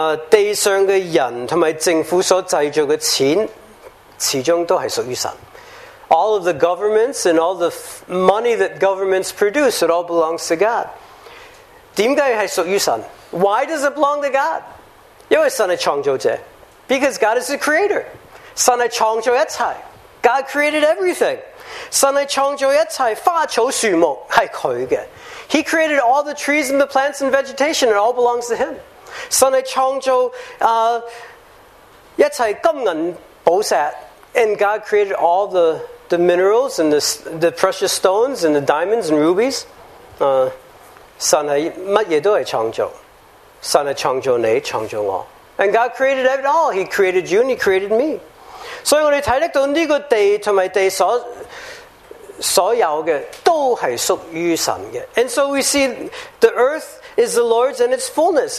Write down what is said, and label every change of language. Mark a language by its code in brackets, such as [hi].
[zh] 地上的人和政府所制造的钱, 始终都是属于神. [en] All of the governments and all the money that governments produce, it all belongs to God. [zh] 为什么是属于神? [en] Why does it belong to God? [zh] 因为神是创造者. [en] Because God is the creator. [zh] 神是创造一切. [en] God created everything. [zh] 神是创造一切, 花草树木, 是他的. [en] He created all the trees and the plants and vegetation, it all belongs to him. [zh] 神是创造一切金银宝石, [en] and God created all the minerals and the precious stones and the diamonds and rubies. [zh] 神是什么都是创造。神是创造你,创造我。 [en] And God created it all. He created you and he created me. [zh] 所以我们看到这个地和地所有的都是属于神的。 [en] And so we see the earth is the Lord's and its fullness.